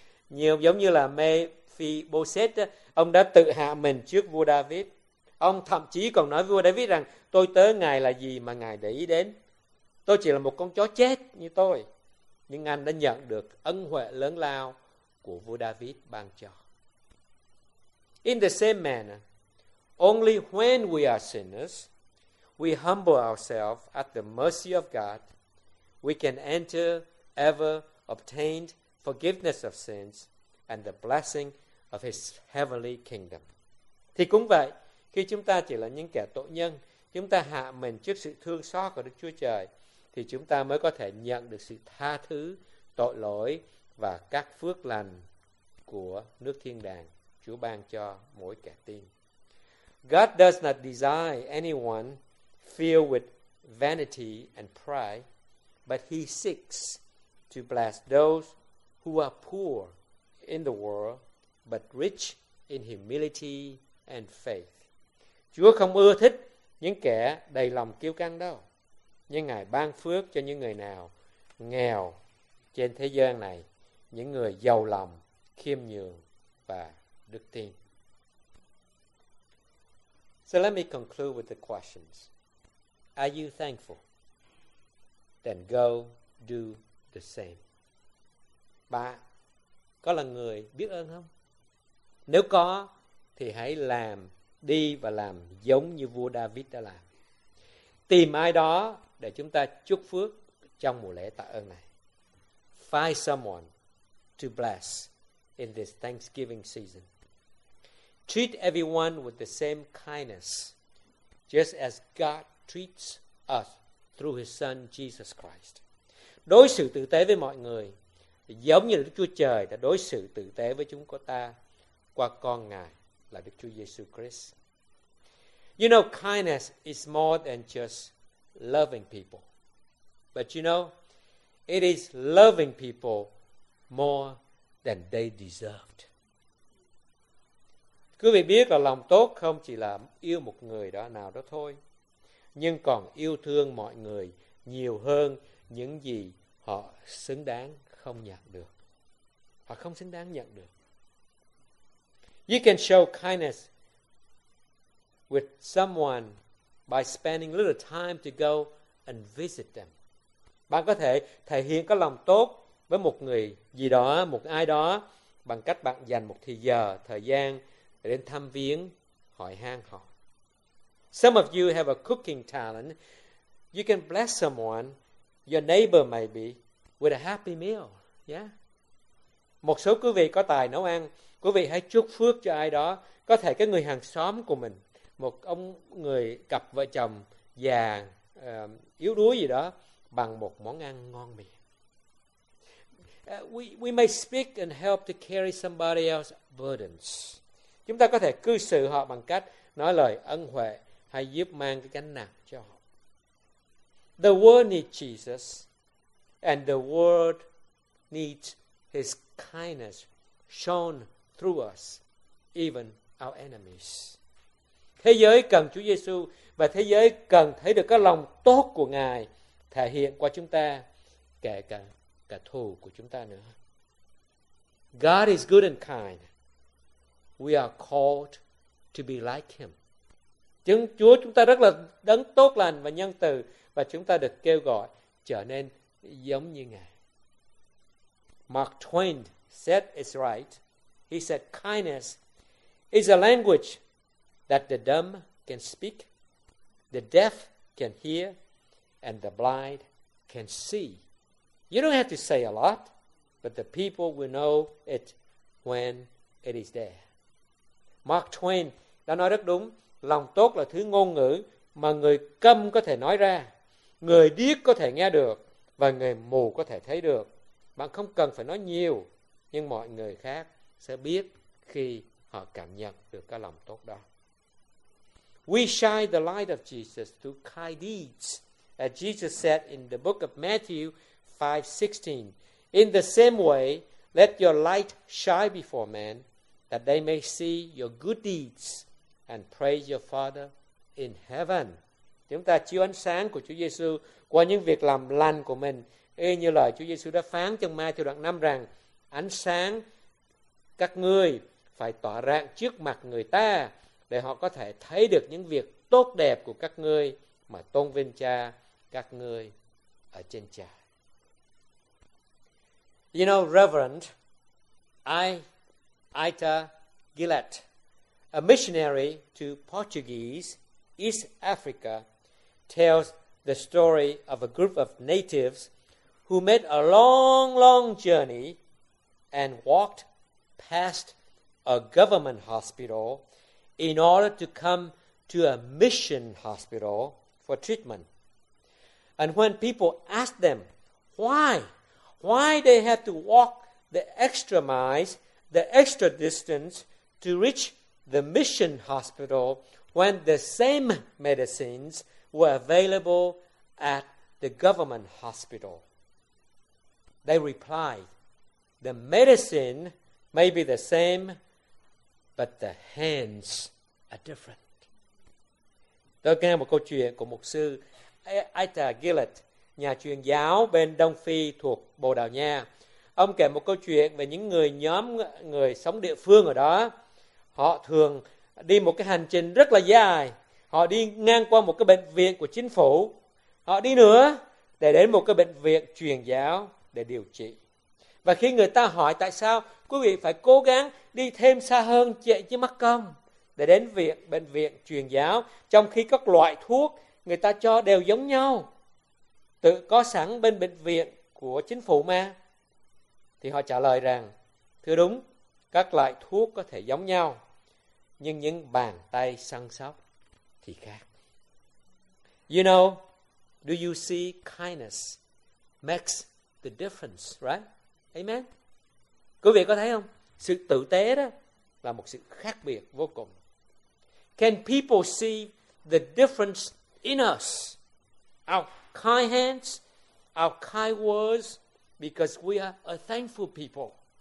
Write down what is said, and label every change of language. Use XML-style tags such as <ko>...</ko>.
<vi>Nhiều giống như là Mephibosheth, ông đã tự hạ mình trước vua David. Ông thậm chí còn nói với vua David rằng, tôi tớ ngài là gì mà ngài để ý đến? Tôi chỉ là một con chó chết như tôi. Nhưng anh đã nhận được ân huệ lớn lao của vua David ban cho.</vi> <en>In the same manner, only when we are sinners, we humble ourselves at the mercy of God, we can enter ever obtained forgiveness of sins and the blessing of his heavenly kingdom.</en> <vi>Thì cũng vậy, khi chúng ta chỉ là những kẻ tội nhân, chúng ta hạ mình trước sự thương xót của Đức Chúa Trời, thì chúng ta mới có thể nhận được sự tha thứ, tội lỗi và các phước lành của nước thiên đàng Chúa ban cho mỗi kẻ tin.</vi> <en>God does not desire anyone filled with vanity and pride, but he seeks to bless those who are poor in the world but rich in humility and faith.</en> <vi>Chúa không ưa thích những kẻ đầy lòng kiêu căng đâu, nhưng Ngài ban phước cho những người nào nghèo trên thế gian này, những người giàu lòng, khiêm nhường và đức tin.</vi> <en>So let me conclude with the questions. Are you thankful? Then go do the same.</en> <vi>Bạn có là người biết ơn không? Nếu có, thì hãy làm đi và làm giống như vua David đã làm. Tìm ai đó để chúng ta chúc phước trong mùa lễ tạ ơn này.</vi> <en>Find someone to bless in this Thanksgiving season. Treat everyone with the same kindness, just as God treats us through His Son Jesus Christ.</en> <vi>Đối xử tử tế với mọi người giống như Đức Chúa Trời đã đối xử tử tế với chúng ta qua con Ngài là Đức Chúa Giêsu Christ.</vi> <en>You know, kindness is more than just loving people. But you know, it is loving people more than they deserved.</en> <vi>Quý vị biết là lòng tốt không chỉ là yêu một người đó nào đó thôi, nhưng còn yêu thương mọi người nhiều hơn những gì họ xứng đáng không nhận được. Họ không xứng đáng nhận được.</vi> <en>You can show kindness with someone by spending a little time to go and visit them.</en> <vi>Bạn có thể thể hiện có lòng tốt với một người gì đó, một ai đó, bằng cách bạn dành một thời giờ, thời gian để đến thăm viếng, hỏi han họ.</vi> <en>Some of you have a cooking talent. You can bless someone, your neighbor maybe, with a happy meal. Yeah?</en> <vi>Một số quý vị có tài nấu ăn, quý vị hãy chúc phước cho ai đó. Có thể cái người hàng xóm của mình, một ông người cặp vợ chồng già, yếu đuối gì đó, bằng một món ăn ngon miệng.</vi> <en>We may speak and help to carry somebody else's burdens.</en> <vi>Chúng ta có thể cư xử họ bằng cách nói lời ân huệ hay giúp mang cái gánh nặng cho họ.</vi> <en>The world needs Jesus and the world needs His kindness shown through us, even our enemies.</en> <vi>Thế giới cần Chúa Giêsu và thế giới cần thấy được cái lòng tốt của Ngài thể hiện qua chúng ta, kể cả cả thù của chúng ta nữa.</vi> <en>God is good and kind. We are called to be like Him.</en> <vi>Chúa chúng ta rất là đấng tốt lành và nhân từ, và chúng ta được kêu gọi trở nên giống như Ngài.</vi> <en>Mark Twain said it's right. He said, kindness is a language that the dumb can speak, the deaf can hear, and the blind can see. You don't have to say a lot, but the people will know it when it is there.</en> <vi>Mark Twain đã nói rất đúng, lòng tốt là thứ ngôn ngữ mà người câm có thể nói ra, người điếc có thể nghe được và người mù có thể thấy được. Bạn không cần phải nói nhiều, nhưng mọi người khác sẽ biết khi họ cảm nhận được cái lòng tốt đó.</vi> <en>We shine the light of Jesus through kind deeds. As Jesus said in the book of Matthew 5:16, in the same way, let your light shine before men, that they may see your good deeds and praise your Father in heaven.</en> <vi>Chúng ta chiếu ánh sáng của Chúa Giêsu qua những việc làm lành của mình, y như lời Chúa Giêsu đã phán trong Ma-thi-ơ đoạn 5 rằng, ánh sáng các ngươi phải tỏa rạng trước mặt người ta để họ có thể thấy được những việc tốt đẹp của các ngươi mà tôn vinh Cha các ngươi ở trên trời.</vi> <en>You know, Reverend, Ita Gillett, a missionary to Portuguese East Africa, tells the story of a group of natives who made a long, long journey and walked past a government hospital in order to come to a mission hospital for treatment. And when people asked them why they had to walk the extra distance to reach the mission hospital when the same medicines were available at the government hospital, they replied, the medicine may be the same, But the hands are different.</en> <vi>Tôi nghe một câu chuyện của một sư Ita Gillett, nhà truyền giáo bên Đông Phi thuộc Bồ Đào Nha. Ông kể một câu chuyện về những người nhóm người sống địa phương ở đó. Họ thường đi một cái hành trình rất là dài. Họ đi ngang qua một cái bệnh viện của chính phủ. Họ đi nữa để đến một cái bệnh viện truyền giáo để điều trị. Và khi người ta hỏi tại sao quý vị phải cố gắng đi thêm xa hơn chứ mắc công để đến viện bệnh viện truyền giáo, trong khi các loại thuốc người ta cho đều giống nhau, tự có sẵn bên bệnh viện của chính phủ mà. Thì họ trả lời rằng, thưa đúng, các loại thuốc có thể giống nhau, nhưng những bàn tay săn sóc thì khác.</vi> <en>You know, do you see kindness makes the difference, right?</en> <vi>Amen. Quý vị có thấy không? Sự tử tế đó là một sự khác biệt vô cùng.</vi> <en>Can people see the difference in us? Our kind hands, our kind words, because we are a thankful people.</en>